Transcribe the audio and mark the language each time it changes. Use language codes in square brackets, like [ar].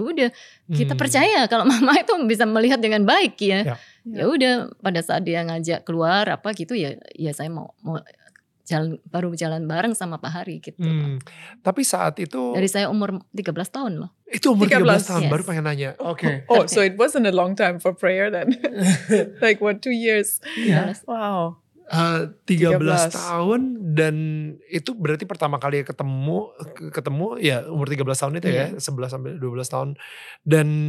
[id] Udah kita percaya kalau mama itu bisa melihat dengan baik ya. Ya udah, pada saat dia ngajak keluar apa gitu ya saya mau. Baru jalan bareng sama Pak Hari gitu. Tapi saat itu dari saya umur 13 tahun loh. Itu umur 13 tahun, yes. Baru pengen nanya. Oke. [en] Oh, so it wasn't a long time for prayer then. Like what, 2 years? Yeah. Wow. [id] 13 tahun, dan itu berarti pertama kali ketemu ya umur 13 tahun itu ya, 11 sampai 12 tahun. Dan